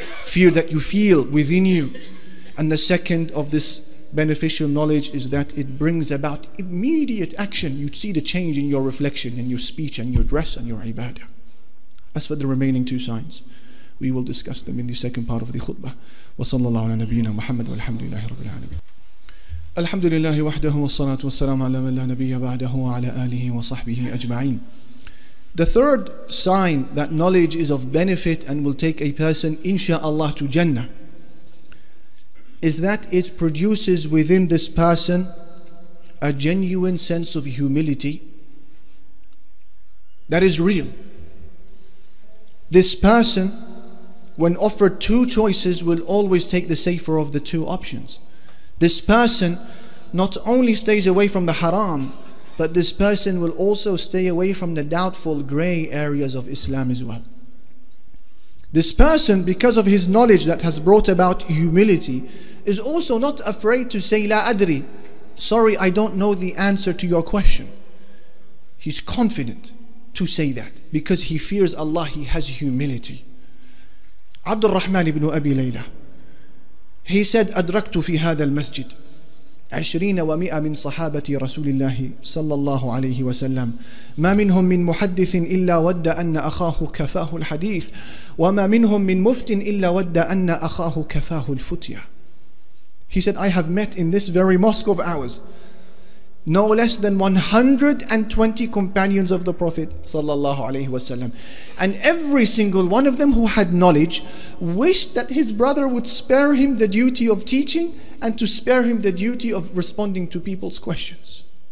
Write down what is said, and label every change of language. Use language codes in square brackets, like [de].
[en] Fear that you feel within you. And the second of this beneficial knowledge is that it brings about immediate action. You'd see the change in your reflection, in your speech, and your dress, and your ibadah. As for the remaining two signs, we will discuss them in the second part of the khutbah. [ar] Wa sallallahu ala nabiyyina Muhammad wa alhamdulillahi rabbil alamin. الحمد لله وحده والصلاة والسلام على من لا نبي بعده وعلى آله وصحبه أجمعين. [en] The third sign that knowledge is of benefit and will take a person, inshaAllah, to Jannah is that it produces within this person a genuine sense of humility that is real. This person, when offered two choices, will always take the safer of the two options. This person not only stays away from the haram, but this person will also stay away from the doubtful gray areas of Islam as well. This person, because of his knowledge that has brought about humility, is also not afraid to say, La adri, sorry, I don't know the answer to your question. He's confident to say that because he fears Allah, he has humility. Abdul Rahman ibn Abi Layla, he said, [ar] أدركت في هذا المسجد 20 و100 من صحابة رسول الله صلى الله عليه وسلم ما منهم من محدث إلا ود أن أخاه كفاه الحديث وما منهم من مفت إلا ود أن أخاه كفاه الفتية. [en] He said, I have met in this very mosque of ours no less than 120 companions of the Prophet sallallahu alayhi wasallam, and every single one of them who had knowledge wished that his brother would spare him the duty of teaching and to spare him the duty of responding to people's questions.